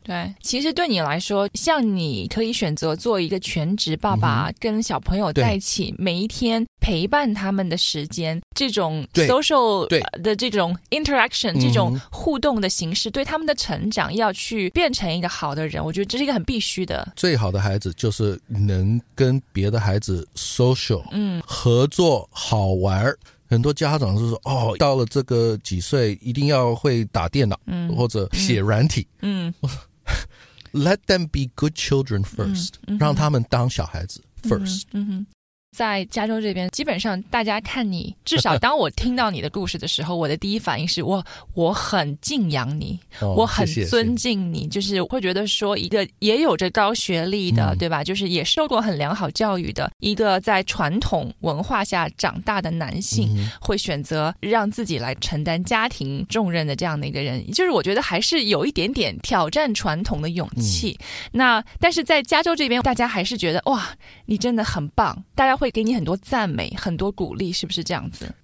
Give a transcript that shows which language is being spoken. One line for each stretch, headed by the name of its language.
Chinese: 对，其实对你来说，像你可以选择做一个全职爸爸，跟小朋友在一起，每一天陪伴他们的时间，这种 social 的这种 interaction， 这种互动的形式，对他们的成长要去变成一个好的人，我觉得这是一个很必须的。最好的孩子就是能跟别的孩子 social， 合作好玩。很多家长是说哦，到了这个几岁一定要会打电脑，或者写软体。
English: Let them be good children first，
Chinese: 让他们当小孩子
English: first。
Chinese: 在加州这边基本上大家看你，至少当我听到你的故事的时候我的第一反应是我很敬仰你、哦、我很尊敬你，谢谢，就是会觉得说一个也有着高学历的、嗯、对吧，就是也受过很良好教育的一个在传统文化下长大的男性、嗯、会选择让自己来承担家庭重任的这样的一个人，就是我觉得还是有一点点挑战传统的勇气、嗯、那但是在加州这边大家还是觉得哇你真的很棒，大家会给你很多赞美很多鼓励，是不是这样子？